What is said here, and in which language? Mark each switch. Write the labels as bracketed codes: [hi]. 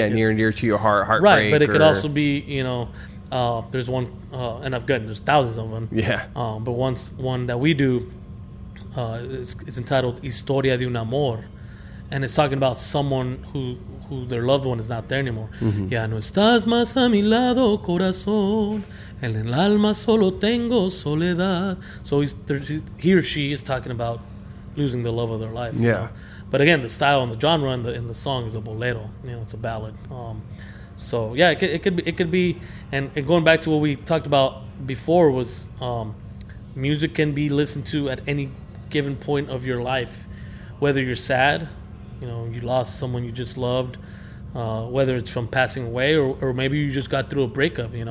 [en] near and dear to your heart, right? But it could also be, you know, there's one, and I've gotten, there's thousands of them, but one that we do, it's entitled Historia de un Amor, and it's talking about someone who their loved one is not there anymore. Mm-hmm. [es] Ya no estás más a mi lado, corazón, en el alma solo tengo soledad. [en] So he or she is talking about losing the love of their life, But again, the style and the genre and the song is a bolero. You know, it's a ballad. So yeah, it could be. And going back to what we talked about before was music can be listened to at any given point of your life, whether you're sad, you know, you lost someone you just loved, whether it's from passing away or maybe you just got through a breakup.